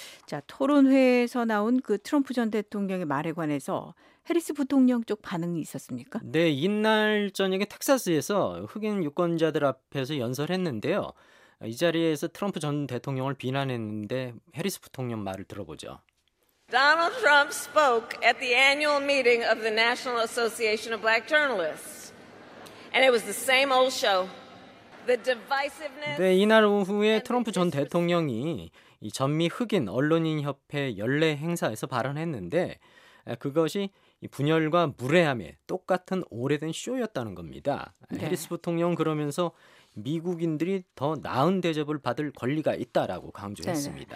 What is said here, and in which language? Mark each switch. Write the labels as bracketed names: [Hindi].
[Korean] 자, 토론회에서 나온 그 트럼프 전 대통령의 말에 관해서 해리스 부통령 쪽 반응이 있었습니까? 네, 이날 저녁에 텍사스에서 흑인 유권자들 앞에서 연설했는데요. 이 자리에서 트럼프 전 대통령을 비난했는데 해리스 부통령 말을 들어보죠. [English] Donald Trump spoke at the annual meeting of the National Association of Black Journalists. And it was the same old show. The divisiveness. [Korean] 네, 이날 오후에 트럼프 전 대통령이 이 전미 흑인 언론인 협회 연례 행사에서 발언했는데 그것이 분열과 무례함의 똑같은 오래된 쇼였다는 겁니다. 네. 해리스 부통령 그러면서 미국인들이 더 나은 대접을 받을 권리가 있다라고 강조했습니다.